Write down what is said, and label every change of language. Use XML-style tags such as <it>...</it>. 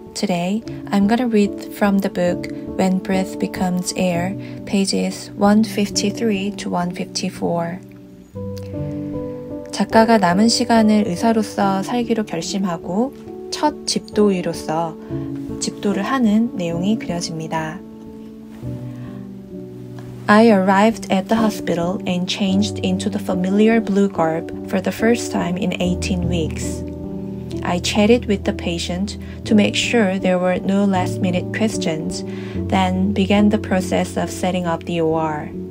<en>Today, I'm going to read from the book When Breath Becomes Air, pages 153 to 154.</en> <ko>작가가 남은 시간을 의사로서 살기로 결심하고 첫 집도의로서 집도를 하는 내용이 그려집니다.</ko> <en>I arrived at the hospital and changed into the familiar blue garb for the first time in 18 weeks. I chatted with the patient to make sure there were no last-minute questions, then began the process of setting up the OR.</en>